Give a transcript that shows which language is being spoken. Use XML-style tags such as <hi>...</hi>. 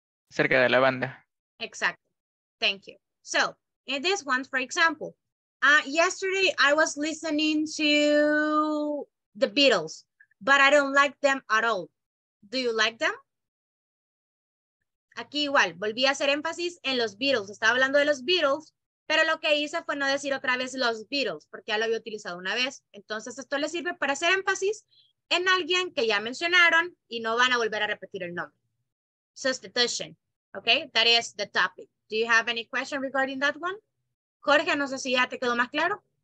<es>Cerca de la banda.</es> <en>Exacto. Thank you. So, in this one, for example, yesterday I was listening to the Beatles, but I don't like them at all. Do you like them?</en> <es>Aquí igual, volví a hacer énfasis en los Beatles. Estaba hablando de los Beatles, pero lo que hice fue no decir otra vez los Beatles, porque ya lo había utilizado una vez. Entonces, esto le sirve para hacer énfasis en alguien que ya mencionaron y no van a volver a repetir el nombre.</es> <en>Sustitution. Okay, that is the topic. Do you have any question regarding that one?</en> <es>Jorge, no sé si ya te quedó más claro.</es>